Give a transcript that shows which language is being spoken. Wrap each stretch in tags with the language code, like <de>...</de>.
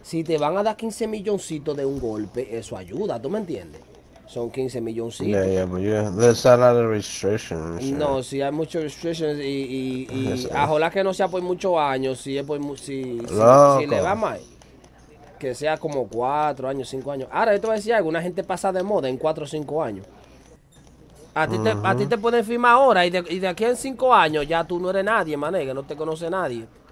<es>Si te van a dar 15 milloncitos de un golpe, eso ayuda, ¿tú me entiendes? Son 15 milloncitos.</es> <en>Yeah, yeah, but yeah, there's a lot of restrictions.</en> <es>No, sí, hay muchas restrictions y a jolar que no sea por muchos años, si es por si le va mal. Que sea como 4 años, 5 años. Ahora, yo te voy a decir algo. Una gente pasa de moda en 4 o 5 años. A ti te pueden firmar ahora y de aquí en 5 años ya tú no eres nadie, mané, que no te conoce nadie.</es>